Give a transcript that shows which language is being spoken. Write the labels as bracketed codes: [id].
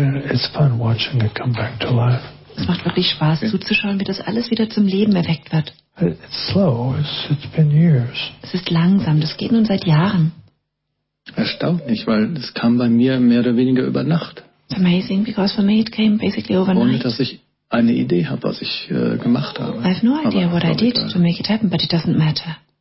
[en] It's fun watching it come back to life. [de] Es macht wirklich Spaß, zuzuschauen, wie das alles wieder zum Leben erweckt wird. [en] It's slow. It's been years. [de] Es ist langsam. Das geht nun seit Jahren. Erstaunlich, weil es kam bei mir mehr oder weniger über Nacht. [en] It's amazing, because for me it came basically overnight. [de] Ohne dass ich eine Idee habe, was ich gemacht habe. [en] I have no idea what I did to make it happen, but it doesn't matter.